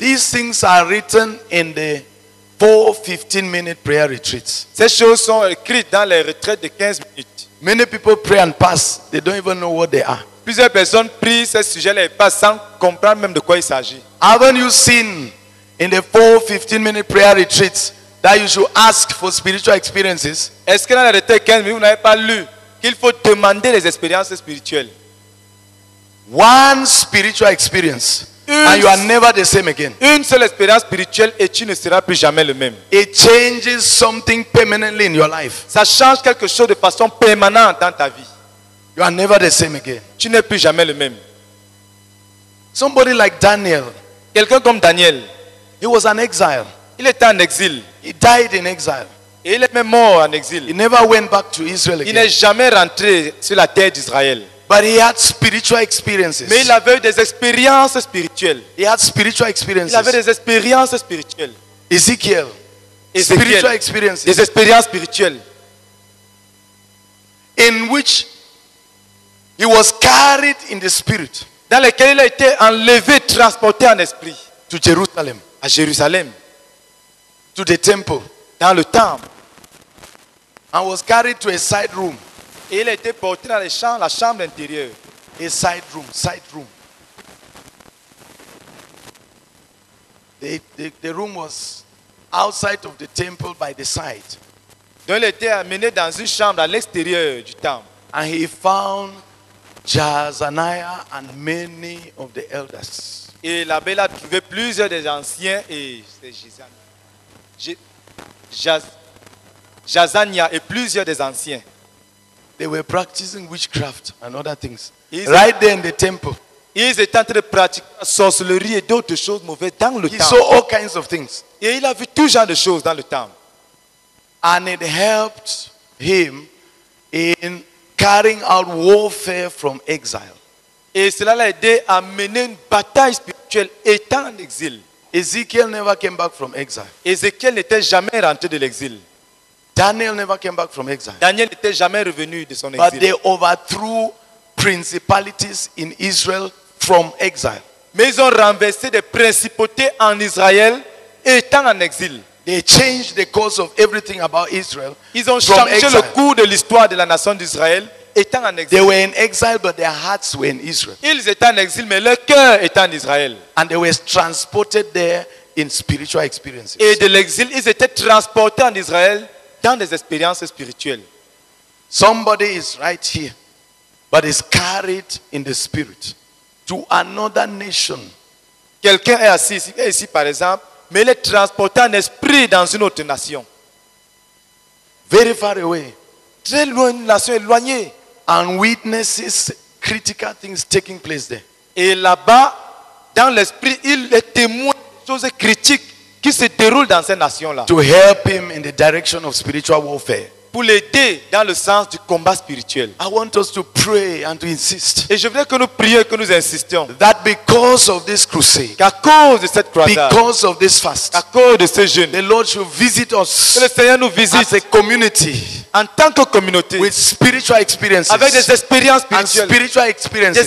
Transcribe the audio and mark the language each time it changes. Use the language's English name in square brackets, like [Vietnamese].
[English] These things are written in the 4-15-minute prayer retreats. [French] Ces choses sont écrites dans les retraites de 15 minutes. [English] Many people pray and pass. They don't even know what they are. [French] Plusieurs personnes prient ces sujets-là et passent sans comprendre même de quoi il s'agit. [English] Haven't you seen in the 4-15-minute prayer retreats that you should ask for spiritual experiences? [French] Est-ce que dans les retraites de 15 minutes, vous n'avez pas lu qu'il faut demander les expériences spirituelles? [English] One spiritual experience. And you are never the same again. [French] Une seule expérience spirituelle et tu ne seras plus jamais le même. [English] It changes something permanently in your life. [French] Ça change quelque chose de façon permanente dans ta vie. [English] You are never the same again. [French] Tu n'es plus jamais le même. [English] Somebody like Daniel. [French] Quelqu'un comme Daniel. [English] He was an exile. [French] Il était en exil. [English] He died in exile. [French] Et il est même mort en exil. [English] He never went back to Israel again. [French] Il n'est jamais rentré sur la terre d'Israël. [English] But he had spiritual experiences. [French] Mais il avait des expériences spirituelles. [English] He had spiritual experiences. [French] Il avait des expériences spirituelles. [English] Ezekiel. Spiritual experiences. [French] Des expériences spirituelles. [English] In which he was carried in the spirit. [French] Dans lesquelles il a été enlevé, transporté en esprit. [English] To Jerusalem. [French] À Jérusalem. [English] To the temple. [French] Dans le temple. [English] And was carried to a side room. [French] Et il a été porté dans les chambres, la chambre intérieure. [English] A side room. The room was outside of the temple by the side. [French] Donc il était amené dans une chambre à l'extérieur du temple. [English] And he found Jaazaniah and many of the elders. [French] Et là-bas, il a trouvé plusieurs des anciens et c'est Jaazaniah et plusieurs des anciens. [English] They were practicing witchcraft and other things. Right there in the temple. [French] Ils étaient en train de pratiquer sorcellerie et d'autres choses mauvaises dans le temple. [English] He saw all kinds of things. [French] Et il a vu tout genre de choses dans le temple. [English] And it helped him in carrying out warfare from exile. [French] Et cela l'a aidé à mener une bataille spirituelle étant en exil. [English] Ezekiel never came back from exile. [French] Ezekiel n'était jamais rentré de l'exil. [English] Daniel never came back from exile. [French] Daniel n'était jamais revenu de son exil. [English] But they overthrew principalities in Israel from exile. [French] Mais ils ont renversé des principautés en Israël étant en exil. [English] They changed the course of everything about Israel. [French] Ils ont changé le cours de l'histoire de la nation d'Israël étant en exil. [English] They were in exile, but their hearts were in Israel. [French] Ils étaient en exil, mais leur cœur était en Israël. [English] And they were transported there in spiritual experiences. [French] Et de l'exil, ils étaient transportés en Israël dans des expériences spirituelles. [English] Somebody is right here, but is carried in the spirit to another nation. [French] Quelqu'un est assis ici, par exemple, mais les transporter en esprit dans une autre nation. [English] Very far away. [French] Très loin, une nation éloignée. [English] And witnesses critical things taking place there. [French] Et là-bas, dans l'esprit, il est témoin des choses critiques qui se déroulent dans ces nations-là. [English] To help him in the direction of spiritual warfare. [French] Pour l'aider dans le sens du combat spirituel. [English] I want us to pray and to insist. [French] Et je voudrais que nous prions et que nous insistions. [English] That because of this crusade, [French] qu'à cause de cette croisade, [English] because of this fast, [French] à cause de ce jeûne, [English] the Lord should visit us, [French] que le Seigneur nous visite, [English] as a community, [French] en tant que communauté, [English] with spiritual experiences, [French] avec des expériences spirituelles, [English] and spiritual experiences,